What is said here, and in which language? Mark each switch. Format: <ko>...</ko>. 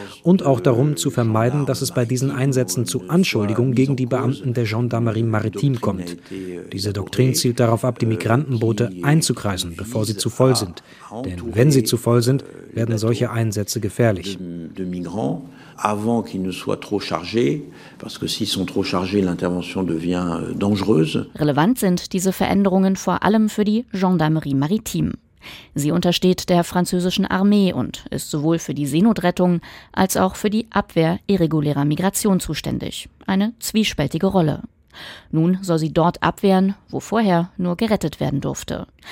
<de>Und auch darum zu vermeiden, dass es bei diesen Einsätzen zu Anschuldigungen gegen die Beamten der Gendarmerie Maritime kommt. Diese Doktrin zielt darauf ab, die Migrantenboote einzukreisen, bevor sie zu voll sind. Denn wenn sie zu voll sind, werden solche Einsätze gefährlich.</de> <fr>Avant qu'ils ne soient trop chargés, parce que s'ils sont trop chargés, l'intervention devient dangereuse.</fr> <de>Relevant sind diese Veränderungen vor allem für die Gendarmerie Maritime. Sie untersteht der französischen Armee und ist sowohl für die Seenotrettung als auch für die Abwehr irregulärer Migration zuständig. Eine zwiespältige Rolle. Nun soll sie dort abwehren, wo vorher nur gerettet werden durfte.</de>